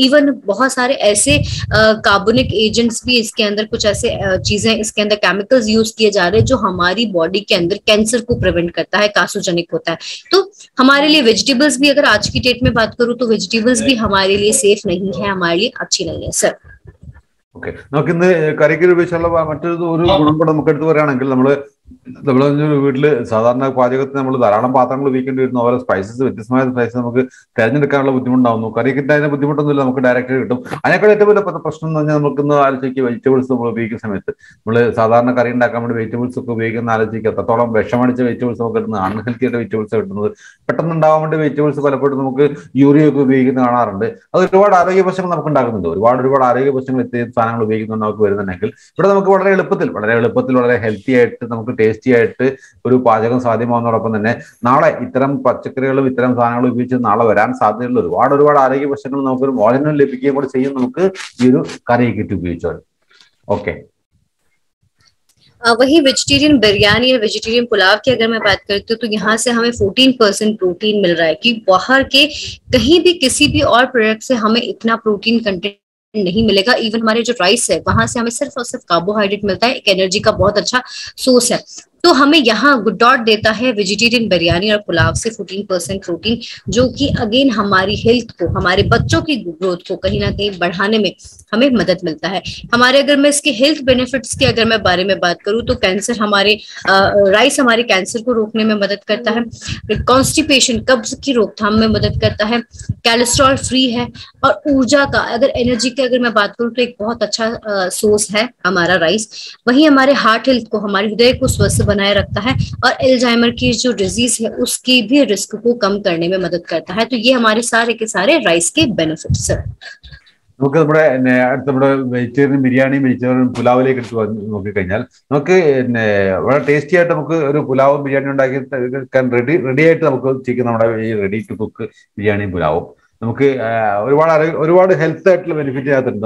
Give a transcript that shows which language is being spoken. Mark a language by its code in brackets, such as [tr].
[hi] Even बहुत सारे ऐसे कार्बोनिक एजेंट्स भी इसके अंदर, कुछ ऐसे चीजें इसके अंदर केमिकल्स यूज किए जा रहे हैं जो हमारी बॉडी के अंदर कैंसर को प्रिवेंट करता है, कार्सिनोजेनिक होता है. तो हमारे लिए वेजिटेबल्स भी अगर आज की डेट में बात करूं तो वेजिटेबल्स भी हमारे लिए सेफ नहीं है, हमारे लिए अच्छी नहीं है सर. [ml] ഓക്കെ, നമുക്ക് ഇന്ന് കറിക്ക് ഉപയോഗിച്ചുള്ള മറ്റൊരു ഒരു ഗുണം കൂടെ നമുക്ക് എടുത്തു പറയുകയാണെങ്കിൽ, നമ്മൾ വീട്ടില് സാധാരണ പാചകത്തിന് നമ്മൾ ധാരാളം പാത്രങ്ങൾ ഉപയോഗിക്കേണ്ടി വരുന്ന ഓരോ സ്പൈസസ്, വ്യത്യസ്തമായ സ്പൈസസ് നമുക്ക് തിരഞ്ഞെടുക്കാനുള്ള ബുദ്ധിമുട്ടാവുന്നു. കറിക്കിട്ട് അതിന് ബുദ്ധിമുട്ടൊന്നുമില്ല, നമുക്ക് ഡയറക്റ്റ് കിട്ടും. അതിനേക്കാൾ ഏറ്റവും വലിയ പ്രശ്നം എന്ന് പറഞ്ഞാൽ നമുക്കിന്ന് ആലോചിക്കുക, വെജിറ്റബിൾസ് നമ്മൾ ഉപയോഗിക്കുന്ന സമയത്ത് നമ്മൾ സാധാരണ കറി ഉണ്ടാക്കാൻ വേണ്ടി വെജിറ്റബിൾസ് ഒക്കെ ഉപയോഗിക്കുന്ന ആലോചിക്കുക, എത്രത്തോളം വിഷമടിച്ച വെജിറ്റബിൾസ് നമുക്ക് കിട്ടുന്നത്, അൺഹെൽത്തിയുടെ വെജിറ്റബിൾസ് കിട്ടുന്നത്, പെട്ടെന്ന് ഉണ്ടാവാൻ വേണ്ടി വെജിറ്റബിൾസ് പലപ്പോഴും നമുക്ക് യൂറിയൊക്കെ ഉപയോഗിക്കുന്നത് കാണാറുണ്ട്. അത് ഒരുപാട് ആരോഗ്യ പ്രശ്നങ്ങൾ നമുക്ക് ഉണ്ടാക്കുന്നുണ്ട്. ഒരുപാട് ഒരുപാട് ആരോഗ്യ പ്രശ്നങ്ങൾ ഇത്തരം സാധനങ്ങൾ ഉപയോഗിക്കുന്നത് നമുക്ക് വരുന്നുണ്ടെങ്കിൽ, ഇവിടെ നമുക്ക് വളരെ എളുപ്പത്തിൽ വളരെ ഹെൽത്തി ആയിട്ട് നമുക്ക് ടേസ്റ്റി ആയിട്ട് ഒരു പാചകം സാധ്യമാവുന്നതോടൊപ്പം തന്നെ നാളെ ഇത്തരം പച്ചക്കറികളും ഇത്തരം സാധനങ്ങളും ഉപയോഗിച്ച് നാളെ വരാൻ സാധ്യതയുള്ള ഒരുപാട് ഒരുപാട് ആരോഗ്യ പ്രശ്നങ്ങളും നമുക്കൊരു മോചനം ലഭിക്കുകയും കൂടെ ചെയ്യും നമുക്ക് ഈ ഒരു കറി കിറ്റ് ഉപയോഗിച്ചാൽ. ഓക്കെ, [hi] वही वेजिटेरियन बिरयानी या वेजिटेरियन पुलाव की अगर मैं बात करती हूँ, तो यहाँ से हमें 14% प्रोटीन मिल रहा है, कि बाहर के कहीं भी किसी भी और प्रोडक्ट से हमें इतना प्रोटीन कंटेंट नहीं मिलेगा. इवन हमारे जो राइस है वहां से हमें सिर्फ और सिर्फ कार्बोहाइड्रेट मिलता है, एक एनर्जी का बहुत अच्छा सोर्स है. तो हमें यहाँ गुड डॉट देता है वेजिटेरियन बिरयानी और पुलाव से 14% प्रोटीन, जो कि अगेन हमारी हेल्थ को, हमारे बच्चों की ग्रोथ को कहीं ना कहीं बढ़ाने में हमें मदद मिलता है. हमारे अगर मैं इसके हेल्थ बेनिफिट्स के अगर मैं बारे में बात करूं, तो कैंसर हमारे राइस हमारे कैंसर को रोकने में मदद करता है, कॉन्स्टिपेशन कब्ज की रोकथाम में मदद करता है, कैलेस्ट्रॉल फ्री है, और ऊर्जा का अगर एनर्जी की अगर मैं बात करूं तो एक बहुत अच्छा सोर्स है हमारा राइस. वही हमारे हार्ट हेल्थ को, हमारे हृदय को स्वस्थ बनाए रखता है, और अल्जाइमर की जो डिजीज है उसके भी रिस्क को कम करने में मदद करता है. तो ये हमारे सारे के सारे राइस के बेनिफिट्स हैं. [ml] നമുക്ക് നമ്മുടെ അടുത്ത് നമ്മുടെ വെജിറ്റേറിയൻ ബിരിയാണിയും വെജിറ്റേറിയൻ പുലാവിലേക്ക് എടുത്ത് നോക്കിക്കഴിഞ്ഞാൽ നമുക്ക് വളരെ ടേസ്റ്റി ആയിട്ട് നമുക്ക് ഒരു പുലാവും ബിരിയാണിയും ഉണ്ടാക്കി എടുക്കാൻ റെഡി ആയിട്ട് നമുക്ക് ചെയ്യുന്ന നമ്മുടെ ഈ റെഡി ടു കുക്ക് ബിരിയാണിയും പുലാവും നമുക്ക് ഒരുപാട് ഒരുപാട് ഹെൽത്ത് ആയിട്ടുള്ള ബെനിഫിറ്റ് ചെയ്യാത്തിട്ടുണ്ട്.